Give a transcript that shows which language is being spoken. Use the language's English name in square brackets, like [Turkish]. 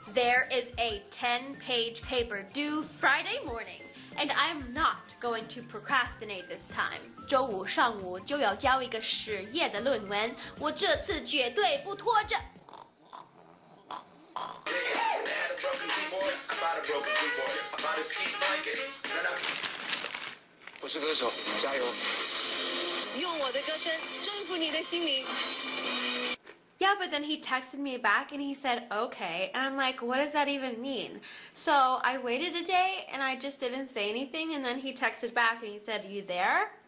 [English] There is a 10-page paper due Friday morning, and I'm not going to procrastinate this time. [Chinese] 周五上午就要交一个10页的论文，我这次绝对不拖着。我是歌手，加油。用我的歌声征服你的心灵。 [English] Yeah, but then he texted me back and he said, okay. And I'm like, what does that even mean? So I waited a day and I just didn't say anything. And then he texted back and he said, you there?